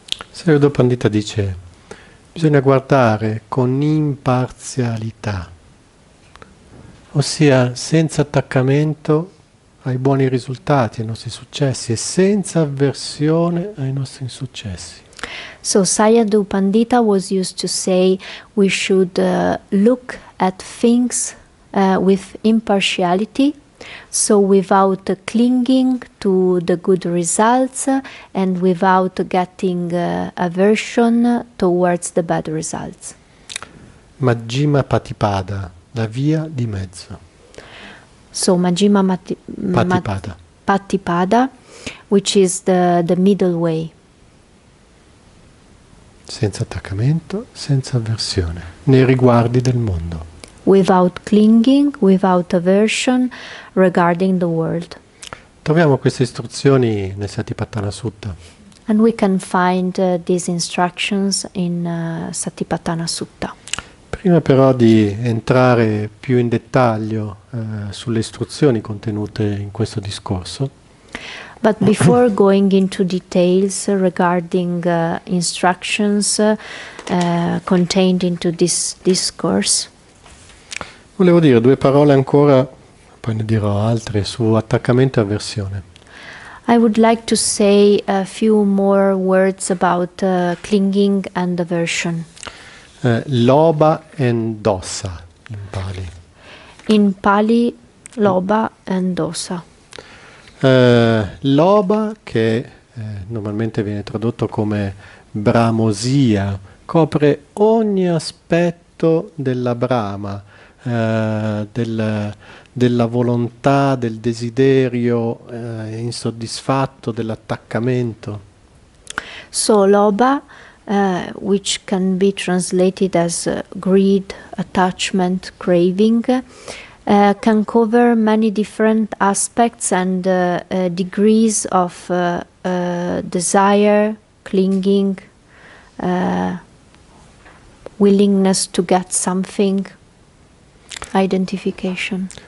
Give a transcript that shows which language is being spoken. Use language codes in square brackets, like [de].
[it] Se Udo Pandita dice bisogna guardare con imparzialità, ossia senza attaccamento ai buoni risultati, ai nostri successi e senza avversione ai nostri insuccessi. [en] So Sayadaw Pandita was used to say we should look at things with impartiality, so without clinging to the good results and without getting aversion towards the bad results. [it] Majjhima Patipada, la via di mezzo. [en] So Majjhima Patipada. Patipada, which is the middle way. [it] Senza attaccamento, senza avversione, nei riguardi del mondo. [en] Without clinging, without aversion regarding the world. [it] Troviamo queste istruzioni nel Satipatthana Sutta. [en] And we can find these instructions in Satipatthana Sutta. [it] Prima però di entrare più in dettaglio sulle istruzioni contenute in questo discorso, [en] But before going into details regarding instructions contained into this discourse, [it] volevo dire due parole ancora, poi ne dirò altre, su attaccamento e aversione. [en] I would like to say a few more words about clinging and aversion. Loba and dosa in Pali. In Pali, loba and dosa. [it] Loba, che normalmente viene tradotto come bramosia, copre ogni aspetto della brama, della volontà, del desiderio insoddisfatto, dell'attaccamento. [en] So loba, which can be translated as greed, attachment, craving, can cover many different aspects and degrees of desire, clinging, willingness to get something, identification.